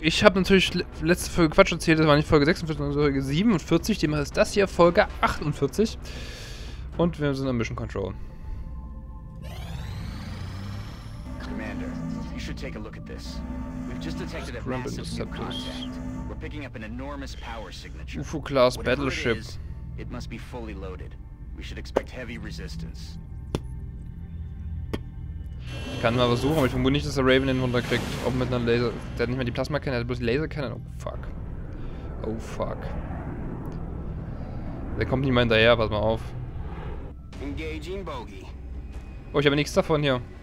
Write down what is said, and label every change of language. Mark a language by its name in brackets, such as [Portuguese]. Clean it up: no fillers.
[German] Ich habe natürlich letzte Folge Quatsch erzählt, das war nicht Folge 46, sondern Folge 47. Demnach ist das hier Folge 48. Und wir sind am Mission Control. [English] Commander, you should take a look at this. We've just detected a massive new contact. We're picking up an enormous power signature. UFO-Class Battleship. It must be fully loaded. We should expect heavy resistance. [German] Ich kann mal versuchen, aber ich vermute nicht, dass der Raven den runterkriegt. Ob mit einer Laser. Der hat nicht mehr die Plasma-Cannon, der hat bloß die Laser-Cannon. [English] Oh fuck. Oh fuck. [German] Der kommt nicht mal hinterher, pass mal auf. [English] Engaging Bogey. [German] Oh, ich habe nichts davon hier.